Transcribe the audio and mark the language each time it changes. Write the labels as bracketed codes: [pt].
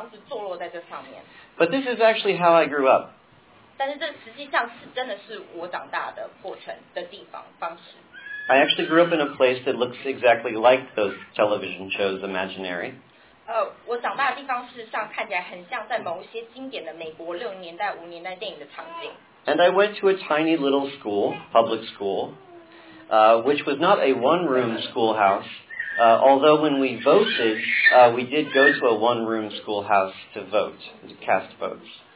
[zh] 也许您可以讲，我是在一个非常经典的这个美国理想主义里面长大的。那这个美国理想主义里面有很多就是，例如白色的栅栏，很大的绿色的草坪的院子，小小的很可爱的房子坐落在这上面。But [en] this is actually how I grew up. [zh] 但是这实际上是真的是我长大的过程的地方方式。 [en] I actually grew up in a place that looks exactly like those television shows imaginary. [zh] 我长大的地方事实上看起来很像在某些经典的美国60年代、50年代电影的场景。 [en] And I went to a tiny little school, public school, which was not a one-room schoolhouse, although when we voted, we did go to a one-room schoolhouse to vote, to cast votes.